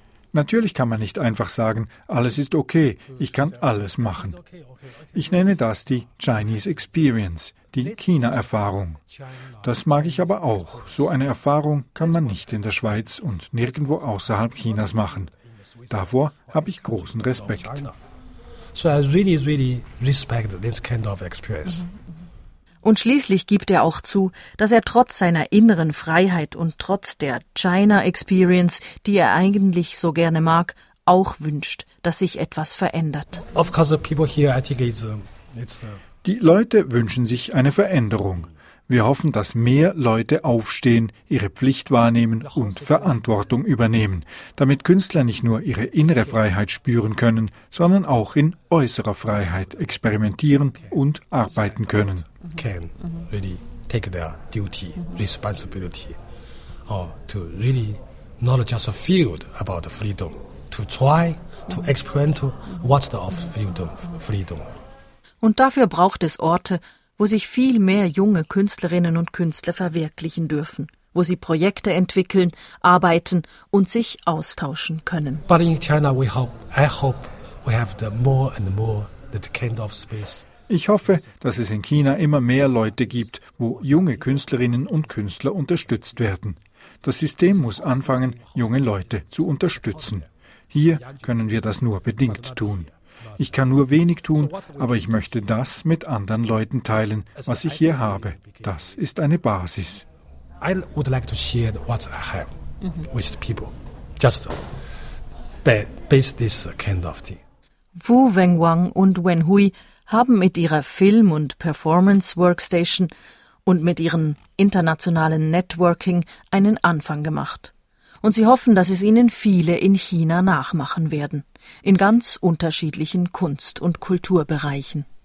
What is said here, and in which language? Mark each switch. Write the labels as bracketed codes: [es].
[de] Natürlich kann man nicht einfach sagen, alles ist okay, ich kann alles machen. Ich nenne das die Chinese Experience, die China-Erfahrung. Das mag ich aber auch. So eine Erfahrung kann man nicht in der Schweiz und nirgendwo außerhalb Chinas machen. Davor habe ich großen Respekt. [en] So I really, really respect this kind of experience. [de] Und schließlich gibt er auch zu, dass er trotz seiner inneren Freiheit und trotz der China Experience, die er eigentlich so gerne mag, auch wünscht, dass sich etwas verändert. [en] Of course, the people here, I think [de] die Leute wünschen sich eine Veränderung. Wir hoffen, dass mehr Leute aufstehen, ihre Pflicht wahrnehmen und Verantwortung übernehmen, damit Künstler nicht nur ihre innere Freiheit spüren können, sondern auch in äußerer Freiheit experimentieren und arbeiten können. [en] Can really take their duty, responsibility, or to really not just feel about freedom, to try to experiment what's the of freedom. [de] Und dafür braucht es Orte, wo sich viel mehr junge Künstlerinnen und Künstler verwirklichen dürfen, wo sie Projekte entwickeln, arbeiten und sich austauschen können. [en] But in China we hope, I hope we have the more and more that kind of space. [de] Ich hoffe, dass es in China immer mehr Leute gibt, wo junge Künstlerinnen und Künstler unterstützt werden. Das System muss anfangen, junge Leute zu unterstützen. Hier können wir das nur bedingt tun. Ich kann nur wenig tun, aber ich möchte das mit anderen Leuten teilen, was ich hier habe. Das ist eine Basis. [en] I would like to share what I have with the people. Just base this kind of thing. [de] Wu Wenguang und Wen Hui haben mit ihrer Film- und Performance-Workstation und mit ihrem internationalen Networking einen Anfang gemacht. Und sie hoffen, dass es ihnen viele in China nachmachen werden, in ganz unterschiedlichen Kunst- und Kulturbereichen.